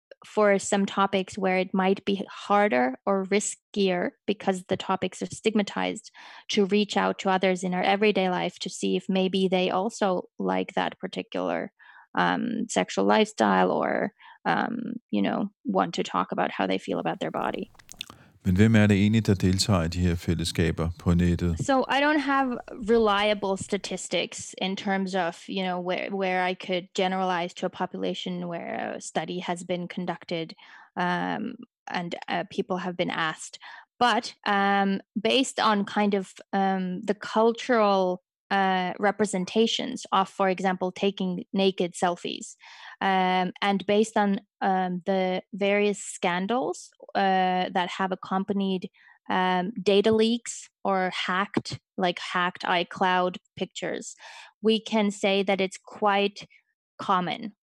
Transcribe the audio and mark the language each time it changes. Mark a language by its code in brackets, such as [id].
[en] for some topics where it might be harder or riskier because the topics are stigmatized, to reach out to others in our everyday life to see if maybe they also like that particular sexual lifestyle or, you know, want to talk about how they feel about their body. [da] Men hvem er det egentlig, der deltager i de her fællesskaber på nettet? [en] So I don't have reliable statistics in terms of, you know, where I could generalize to a population where a study has been conducted and people have been asked. But based on kind of the cultural representations of, for example, taking naked selfies, and based on the various scandals that have accompanied data leaks or hacked iCloud pictures, we can say that it's quite common.